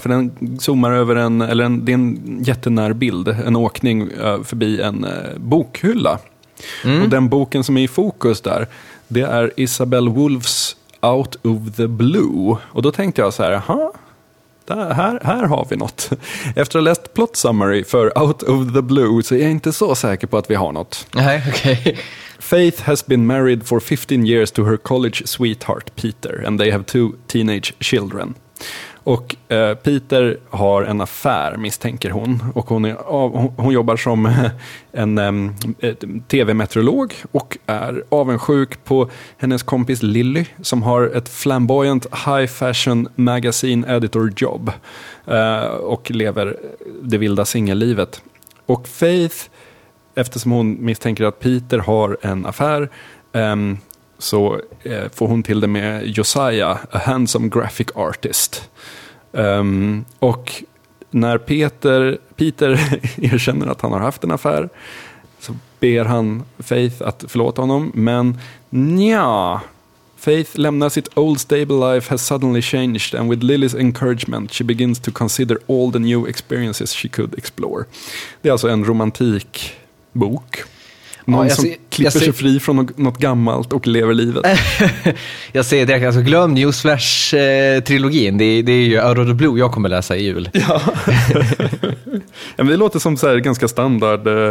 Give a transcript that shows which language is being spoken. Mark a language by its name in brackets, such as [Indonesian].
[Swedish] För den zoomar över det är en jättenär bild, en åkning förbi en bokhylla. Mm. Och den boken som är i fokus där, det är Isabel Wolfs Out of the Blue. Och då tänkte jag så här, aha. Här har vi något. Efter att ha läst plot summary för Out of the Blue så är jag inte så säker på att vi har något. Nej, okej. [English] Faith has been married for 15 years to her college sweetheart Peter, and they have 2 teenage children. [Swedish] Och Peter har en affär, misstänker hon. Och hon jobbar som en tv-meteorolog och är avundsjuk på hennes kompis Lily, som har ett [English] flamboyant high fashion magazine editor job [Swedish] och lever det vilda singellivet. Och Faith, eftersom hon misstänker att Peter har en affär, så får hon till det med Josiah, [English] a handsome graphic artist. [Swedish] Och när Peter erkänner att han har haft en affär, så ber han Faith att förlåta honom. Men nja, Faith lämnar sitt [English] old stable life has suddenly changed, and with Lily's encouragement she begins to consider all the new experiences she could explore. [Swedish] Det är alltså en romantik bok. Någon som klipper sig fri från något gammalt och lever livet. Jag säger det, alltså glöm Newsflash-trilogin. Det är ju Out of the Blue jag kommer läsa i jul. Ja. Men det låter som så här ganska standard...